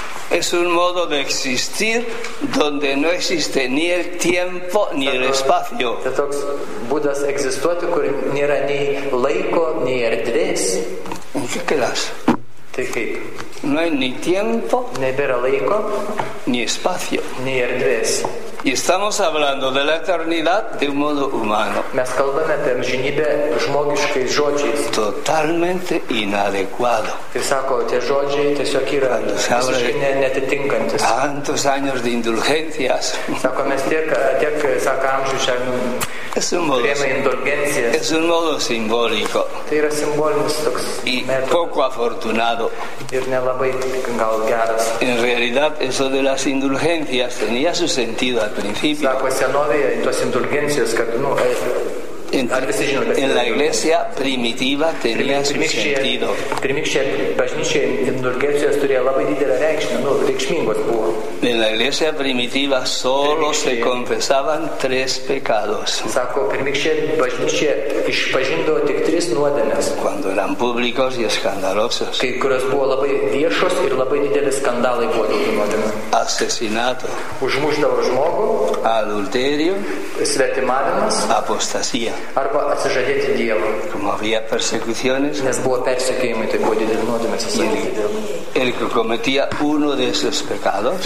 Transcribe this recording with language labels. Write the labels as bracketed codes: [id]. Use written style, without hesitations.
[es] Es un modo de existir donde no existe ni el tiempo ni el espacio. [lt] Tai toks būdas egzistuoti, kur nėra nei laiko, nei erdvės. [es] ¿En qué quedas? [lt] Tai kaip? [es] No hay ni tiempo. [lt] Nebėra laiko. [es] Ni espacio. [lt] Nei erdvės. [es] Y estamos hablando de la eternidad de un modo humano. [lt] Mes kalbame apie amžinybę žmogiškais žodžiais. [es] Totalmente inadecuado. [lt] Tai sako, tie žodžiai tiesiog yra visiškai netitinkantis. [es] Tantos años de indulgencias. [lt] Sako, mes tiek sako amžių šiandien indulgencijas. [es] Es un modo simbólico. [lt] Tai yra simbolinis toks y metodas. [es] Poco afortunado. [lt] Ir nelabai gal geras. [es] En realidad, eso de las indulgencias tenía su sentido. [lt] Sako, senovėje, tos indulgencijos, kad, ar visi žino, kas [es] en la iglesia primitiva tenía su sentido. [lt] Primikščia bažnyčia indulgencijos turėjo labai didelę reikšmę, reikšmingos buvo. [es] En la iglesia primitiva solo se confesaban tres pecados. [lt] Sako, primikščia bažnyčia išpažindo tik tris nuodėmes. [es] Cuando eran públicos y escandalosos. [lt] Kai kurios buvo labai viešos ir labai didelis skandalai buvo dėl nuodėmes. [es] Asesinato. [lt] Užmuždavo žmogų. [es] Adulterio. [lt] Svetimavimas. Apostasija. Arba atsižadėti Dievą. [es] Como había persecuciones. [lt] Nes buvo persekiojimai, tai buvo didelis nuodėmes. [es] El que cometía uno de esos pecados.